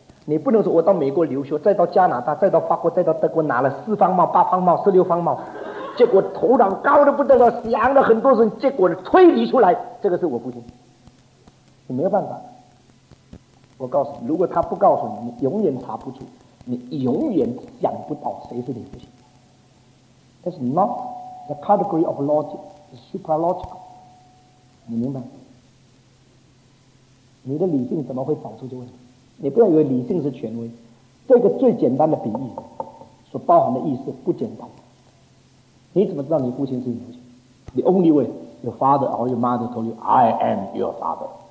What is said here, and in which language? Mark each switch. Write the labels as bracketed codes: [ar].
[zh] 你不能说我到美国留学，再到加拿大，再到法国，再到德国，拿了四方帽、八方帽、十六方帽，结果头上高得不得了，想了很多事，结果推理出来，这个是我父亲。你没有办法，我告诉你，如果他不告诉你，你永远查不出，你永远想不到谁是你父亲。 [en] That's not the category of logic, it's supralogical. [zh] 你明白？你的理性怎么会找出这个问题？你不要以为理性是权威，这个最简单的比喻所包含的意思不简单。你怎么知道你父亲是你父亲？ [en] The only way your father or your mother told you I am your father。